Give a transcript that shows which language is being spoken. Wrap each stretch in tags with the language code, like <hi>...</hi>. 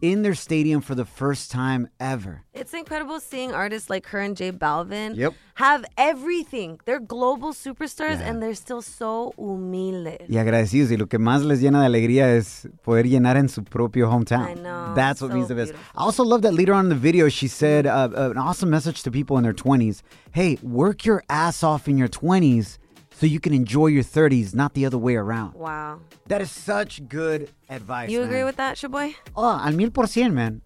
<en>In their stadium for the first time ever. It's incredible seeing artists like her and J Balvin yep. have everything. They're global superstars, yeah. and they're still so humildes.</en> <es>Y agradecidos. Y lo que más les llena de alegría es poder llenar en su propio hometown.</es> <en>I know. That's what means the best. I also love that later on in the video, she said an awesome message to people in their 20s. Hey, work your ass off in your 20s. So you can enjoy your 30s, not the other way around. Wow. That is such good advice, You man. Agree with that, Sha'Boy?</en> <es>Oh, al 1000%, man.</es>